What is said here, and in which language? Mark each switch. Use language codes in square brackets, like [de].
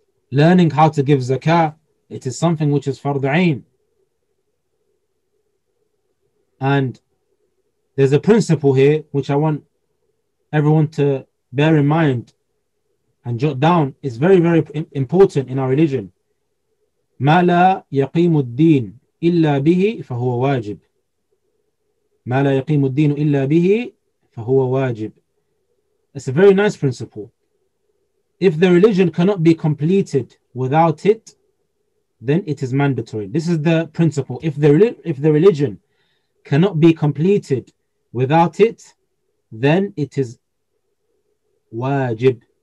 [en] Learning how to give zakah, it is something which is fard ain. And there's a principle here which I want everyone to bear in mind and jot down. It's very, very important in our religion. [ar] مَا لَا يَقِيمُ الدِّينُ إِلَّا بِهِ فَهُوَ وَاجِبُ مَا لَا يَقِيمُ الدِّينُ إِلَّا بِهِ فَهُوَ وَاجِبُ [en] It's a very nice principle. If the religion cannot be completed without it, then it is mandatory. This is the principle. If the religion cannot be completed without it, then it is wajib.